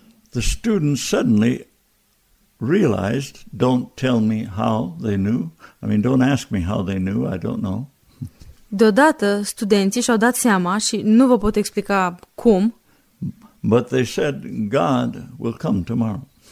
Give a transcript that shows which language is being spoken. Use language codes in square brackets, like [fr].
[en] the students suddenly realized, don't tell me how they knew. I mean, don't ask me how they knew, I don't know. [ro] Deodată studenții și-au dat seama și nu vă pot explica cum. [en] But they said God will come tomorrow.